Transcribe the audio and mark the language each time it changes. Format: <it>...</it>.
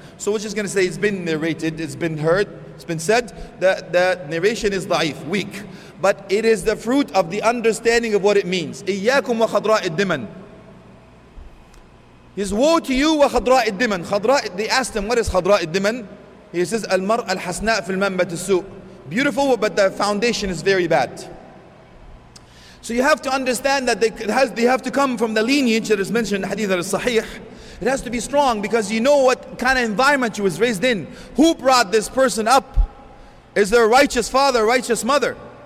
<en>So we're just going to say it's been narrated, it's been heard, it's been said, that the narration is da'if, weak. But it is the fruit of the understanding of what it means.</en> <ar>إِيَّاكُمْ وَخَضْرَاءِ الدِّمَنِ.</ar> <en>His woe to you,</en> <ar>وَخَضْرَاءِ الدِّمَنِ. خَضْرَاءِ,</ar> <en>they asked him, what is</en> <ar>خَضْرَاءِ الدِّمَنِ?</ar> <en>He says,</en> <ar>الْمَرْءَ الْحَسْنَاءَ فِي الْمَنْبَةِ السُّءِ.</ar> <en>Beautiful, but the foundation is very bad. So you have to understand that they have to come from the lineage that is mentioned in the hadith that is sahih. It has to be strong because you know what kind of environment you was raised in. Who brought this person up? Is there a righteous father, a righteous mother?</en>